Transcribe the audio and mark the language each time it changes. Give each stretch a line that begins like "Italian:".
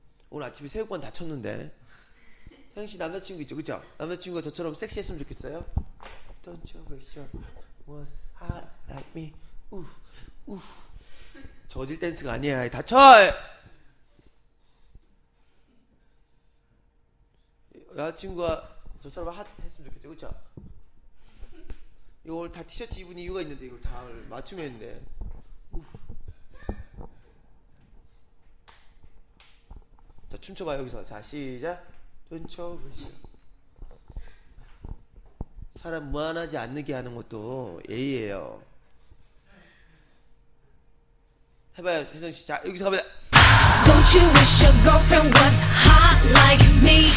Korean: 오늘 아침에 새우권 다 쳤는데. 형씨 남자친구 있죠, 그쵸? 남자친구가 저처럼 섹시했으면 좋겠어요?
English: Don't you wish your was hot like me?
Korean: 저질 댄스가 아니야. 다 쳐! 여자친구가 저처럼 핫했으면 좋겠죠, 그쵸? 이걸 다 티셔츠 입은 이유가 있는데 이걸 다 맞추면 했는데. 자, 춤춰봐요, 여기서. 자, 시작. 춤춰, 춤춰. 사람 무안하지 않게 하는 것도 예의예요. 해봐요, 윤성 씨. 자, 여기서 가봐요.
English: Don't you wish your girlfriend was hot like me?